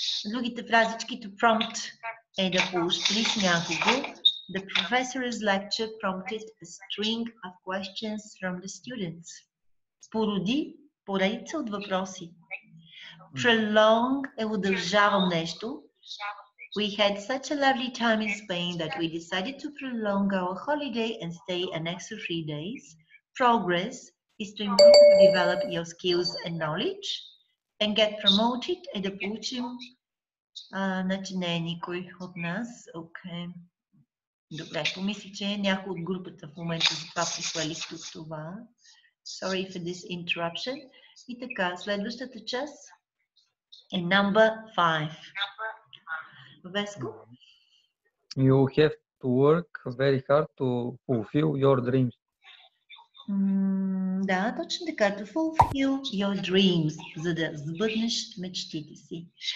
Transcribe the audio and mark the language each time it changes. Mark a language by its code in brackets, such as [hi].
[bg] Другите фразички, to prompt, е да поощриш някого. [en] The professor's lecture prompted a string of questions from the students. [bg] Породи поредица от въпроси. Prolong е удължавам нещо. [en] We had such a lovely time in Spain that we decided to prolong our holiday and stay an extra 3 days. Progress is to improve and develop your skills and knowledge and get promoted [bg] е да получим... Значи не е никой от нас. Окей. Добре, помисли, че някой от групата в момента за това прислали тук това. [en] Sorry for this interruption. [bg] И така, следващата част е [en] number 5. [bg] Веско? [en] You have to work very hard to fulfill your dreams. [bg] Да, точно така. [en] To fulfill your dreams. [bg] За да сбъднеш мечтите си.